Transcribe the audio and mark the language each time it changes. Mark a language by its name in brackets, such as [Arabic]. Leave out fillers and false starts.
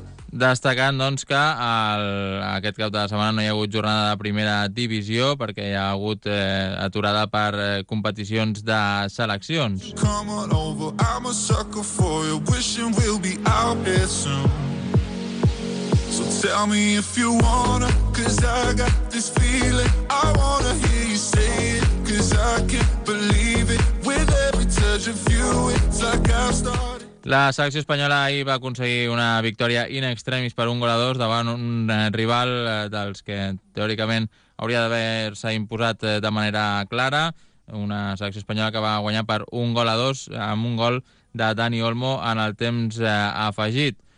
[Catalan] Destacant, doncs, que aquest cap de setmana no hi ha hagut jornada de primera divisió perquè hi ha hagut aturada per competicions de seleccions. [English] Come on over, I'm a sucker for you, wishing we'll be out here soon. So tell me if you wanna, cause I got this feeling. I wanna hear you say it, cause I can't believe it. With every touch of you, it's like I've started. [Catalan] La selecció espanyola ahir va aconseguir una victòria in extremis per 1-2 davant un rival dels que teòricament hauria d'haver-se imposat de manera clara. Una selecció espanyola que va guanyar per 1-2 amb un gol de Dani Olmo en el temps afegit.